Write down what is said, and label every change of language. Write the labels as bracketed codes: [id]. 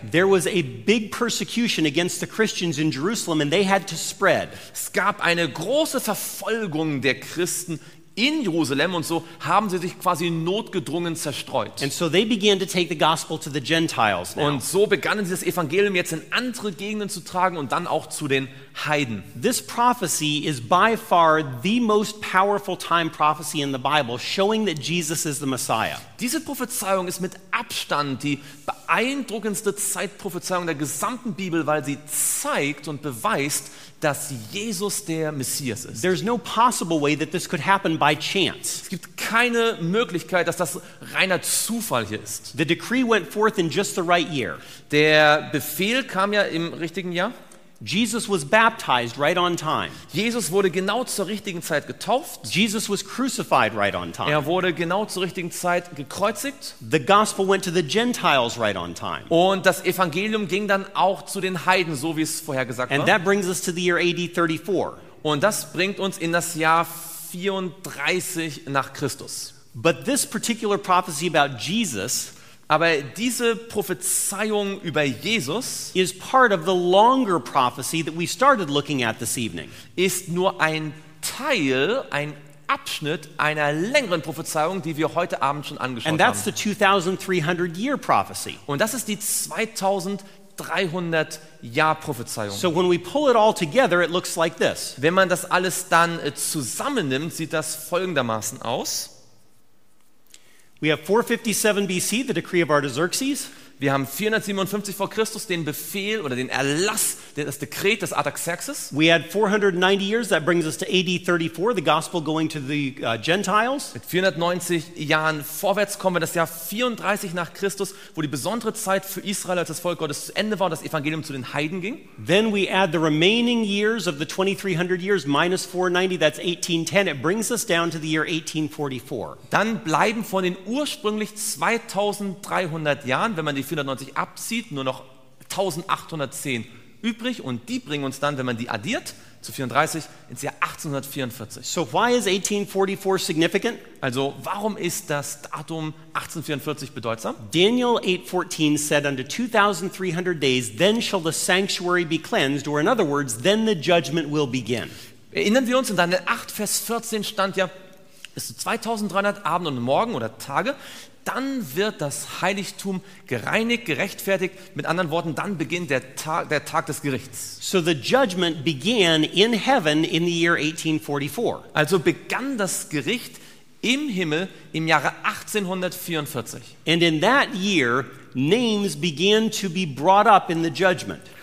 [en] There was a big persecution against the Christians in Jerusalem and they had to spread. [de] Es gab eine große Verfolgung der Christen in Jerusalem und so haben sie sich quasi notgedrungen zerstreut. [en] And so they began to take the gospel to the Gentiles now. [de] Und so begannen sie das Evangelium jetzt in andere Gegenden zu tragen und dann auch zu den Heiden. [en] This prophecy is by far the most powerful time prophecy in the Bible, showing that Jesus is the Messiah. [de] Diese Prophezeiung ist mit Abstand die beeindruckendste Zeitprophezeiung der gesamten Bibel, weil sie zeigt und beweist, dass Jesus der Messias ist. [en] There's no possible way that this could happen by chance. [de] Es gibt keine Möglichkeit, dass das reiner Zufall hier ist. [en] The decree went forth in just the right year. [de] Der Befehl kam ja im richtigen Jahr. [en] Jesus was baptized right on time. [de] Jesus wurde genau zur richtigen Zeit getauft. [en] Jesus was crucified right on time. [de] Wurde genau zur richtigen Zeit gekreuzigt. [en] The gospel went to the Gentiles right on time. [de] Und das Evangelium ging dann auch zu den Heiden, so wie es vorhergesagt war. [en] And that brings us to the year AD 34. [de] Und das bringt uns in das Jahr 34 nach Christus. [en] But this particular prophecy about Jesus, [de] aber diese Prophezeiung über Jesus [en] is part of the longer prophecy that we started looking at this evening. [de] Ist nur ein Teil, ein Abschnitt einer längeren Prophezeiung, die wir heute Abend schon angeschaut haben. [en] And that's the 2300 year prophecy. [de] Und das ist die 2300 Jahr Prophezeiung. [en] So when we pull it all together, it looks like this. [de] Wenn man das alles dann zusammennimmt, sieht das folgendermaßen aus. [en] We have 457 BC, the decree of Artaxerxes. [de] Wir haben 457 vor Christus den Befehl oder den Erlass, das Dekret des Artaxerxes. [en] We had 490 years, that brings us to AD 34, the gospel going to the Gentiles. [de] Mit 490 Jahren vorwärts kommen wir das Jahr 34 nach Christus, wo die besondere Zeit für Israel als das Volk Gottes zu Ende war und das Evangelium zu den Heiden ging. [en] Then we add the remaining years of the 2300 years minus 490, that's 1810. It brings us down to the year 1844. [de] Dann bleiben von den ursprünglich 2300 Jahren, wenn man die 490 abzieht, nur noch 1810 übrig und die bringen uns dann, wenn man die addiert, zu 34 ins Jahr 1844. [en] So why is 1844 significant? [de] Also warum ist das Datum 1844 bedeutsam? [en] Daniel 8:14 said unto 2300 days then shall the sanctuary be cleansed, or in other words then the judgment will begin. [de] Erinnern wir uns, in Daniel 8 Vers 14 stand ja, bis zu 2300 Abend und Morgen oder Tage, dann wird das Heiligtum gereinigt, gerechtfertigt. Mit anderen Worten, dann beginnt der Tag des Gerichts. [en] So the judgment began in heaven in the year 1844. [de] Also begann das Gericht im Himmel im Jahre 1844. [en] And in that year names began to be brought up in the judgment.